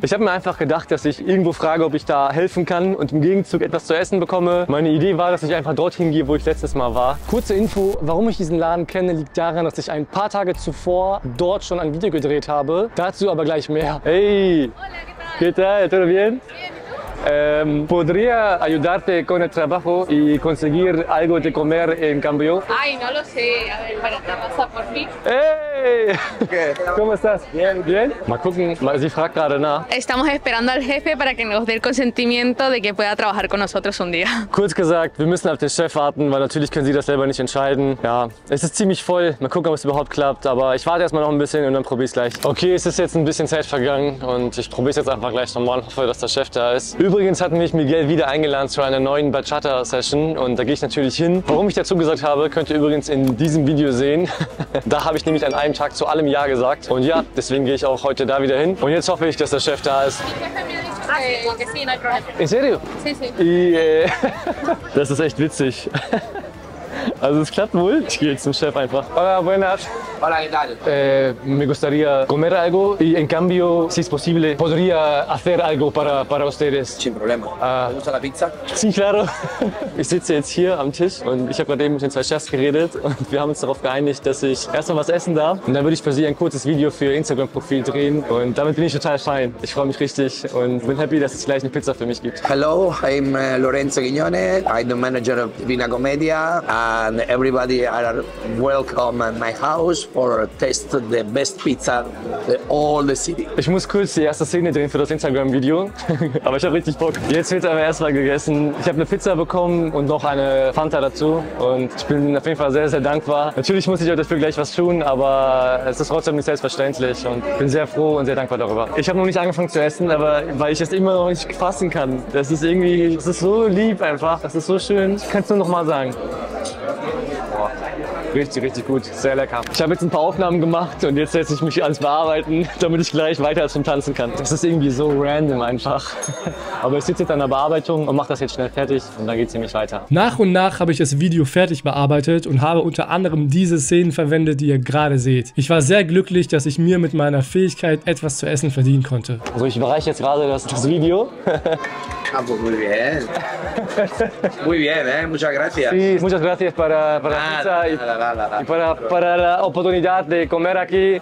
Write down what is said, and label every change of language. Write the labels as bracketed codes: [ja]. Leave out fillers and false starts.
[de] Ich habe mir einfach gedacht, dass ich irgendwo frage, ob ich da helfen kann und im Gegenzug etwas zu essen bekomme. Meine Idee war, dass ich einfach dorthin gehe, wo ich letztes Mal war. Kurze Info, warum ich diesen Laden kenne, liegt daran, dass ich ein paar Tage zuvor dort schon ein Video gedreht habe. Dazu aber gleich mehr. Hey! [es] Hola, ¿qué tal? ¿Qué tal? ¿Todo bien? Bien, ¿tú? ¿Podría ayudarte con el trabajo y conseguir algo de comer en cambio? Ay, no lo sé. A ver, para la casa por fin. ¡Hey! Okay. ¿Cómo estás? Bien, bien. [de] Mal gucken, sie fragt gerade nach. [es] Estamos esperando al jefe para que nos dé el consentimiento de que pueda trabajar con nosotros un día. [de] Kurz gesagt, wir müssen auf den Chef warten, weil natürlich können sie das selber nicht entscheiden. Ja, es ist ziemlich voll. Mal gucken, ob es überhaupt klappt. Aber ich warte erstmal noch ein bisschen und dann probiere ich es gleich. Okay, es ist jetzt ein bisschen Zeit vergangen und ich probiere es jetzt einfach gleich nochmal und hoffe, dass der Chef da ist. Übrigens hat mich Miguel wieder eingeladen zu einer neuen Bachata-Session und da gehe ich natürlich hin. Warum ich dazu gesagt habe, könnt ihr übrigens in diesem Video sehen. Da habe ich nämlich an einem Tag zu allem Ja gesagt. Und ja, deswegen gehe ich auch heute da wieder hin. Und jetzt hoffe ich, dass der Chef da ist. [es] In serio? Sí, sí. [de] Das ist echt witzig. Also es klappt wohl. Ich gehe jetzt zum Chef einfach. [es] Hola, buenas. Hola, ¿qué tal? Me gustaría comer algo y en cambio, si es posible, podría hacer algo para ustedes. Sin problema. ¿Te gusta la pizza? Sí, claro. [de] Ich sitze jetzt hier am Tisch und ich habe gerade eben mit den zwei Chefs geredet und wir haben uns darauf geeinigt, dass ich erstmal was essen darf und dann würde ich für sie ein kurzes Video für ihr Instagram-Profil drehen und damit bin ich total fein. Ich freue mich richtig und bin happy, dass es gleich eine Pizza für mich gibt. [en] Hello, I'm Lorenzo Guignone. I'm the manager of Vina Commedia. and everybody are welcome at my house for test the best pizza in all the city. [de] Ich muss kurz die erste Szene drehen für das Instagram-Video, aber ich habe richtig Bock. Jetzt wird aber erstmal gegessen. Ich habe eine Pizza bekommen und noch eine Fanta dazu und ich bin auf jeden Fall sehr, sehr dankbar. Natürlich muss ich euch dafür gleich was tun, aber es ist trotzdem nicht selbstverständlich und bin sehr froh und sehr dankbar darüber. Ich habe noch nicht angefangen zu essen, aber weil ich es immer noch nicht fassen kann. Das ist irgendwie, das ist so lieb einfach, das ist so schön. Ich kann es nur noch mal sagen. Boah, richtig, richtig gut, sehr lecker. Ich habe jetzt ein paar Aufnahmen gemacht und jetzt setze ich mich ans Bearbeiten, damit ich gleich weiter zum Tanzen kann. Das ist irgendwie so random einfach. Aber ich sitze jetzt an der Bearbeitung und mache das jetzt schnell fertig und dann geht es nämlich weiter. Nach und nach habe ich das Video fertig bearbeitet und habe unter anderem diese Szenen verwendet, die ihr gerade seht. Ich war sehr glücklich, dass ich mir mit meiner Fähigkeit etwas zu essen verdienen konnte. Also ich bereiche jetzt gerade das Video. [es] Aber muy bien. Muy bien, muchas gracias. Sí, muchas gracias para la pizza y para la oportunidad de comer aquí.